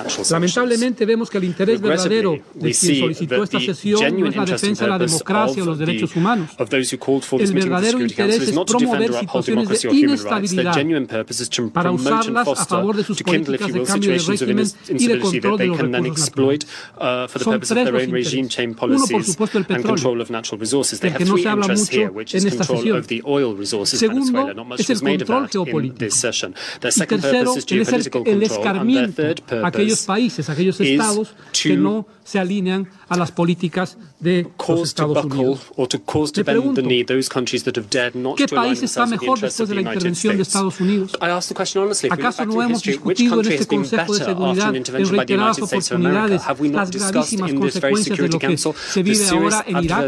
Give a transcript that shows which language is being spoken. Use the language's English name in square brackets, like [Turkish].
[Spanish] Lamentablemente vemos que el interés verdadero de quien solicitó esta sesión no es la defensa de la democracia o los derechos humanos. El verdadero interés es promover situaciones de inestabilidad para usarlas a favor de sus políticas de cambio de régimen y de control de los [English] and then exploit for the purpose of their own regime chain policies and control of natural resources. They have three interests here, which is control of the oil resources in Venezuela. Not much was made of that in this session. Their second purpose is geopolitical control, and their third purpose is to [Spanish] se alinean a las políticas de los Estados Unidos. [English] To cause to bend the knee those countries that have dared not to align themselves with the interests of the United States. I ask the question honestly, [Spanish] ¿acaso no hemos discutido en este Consejo de Seguridad en reiteradas oportunidades las gravísimas consecuencias de lo que se vive ahora en Irak